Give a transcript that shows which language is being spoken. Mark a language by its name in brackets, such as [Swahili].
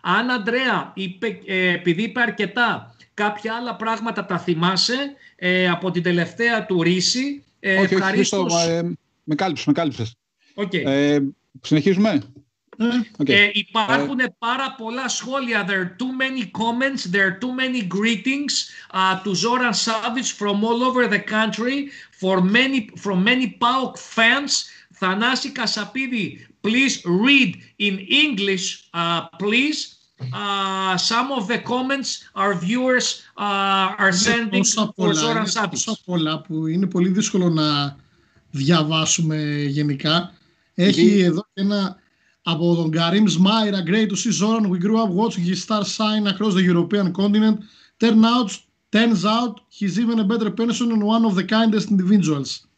[Greek] Αν, Αντρέα, επειδή είπε αρκετά, κάποια άλλα πράγματα τα θυμάσαι από την τελευταία του ρίση. Όχι, ευχαριστώ. Με κάλυψες. [English] Okay. [Greek] Συνεχίζουμε. [English] Okay. [Greek] Υπάρχουν πάρα πολλά σχόλια. [English] There are too many comments, there are too many greetings to Zoran Savic from all over the country, from many PAOK fans. Θανάση Κασαπίδη, please read in English, please. Some of the comments our viewers are sending for Zoran Savic. [Greek] Τόσα πολλά που είναι πολύ δύσκολο να διαβάσουμε γενικά. Έχει εδώ ένα από τον Karim Zmair, [English] a great to see Zoran. We grew up watching his star sign across the European continent. Turns out, he's even a better person and one of the kindest individuals.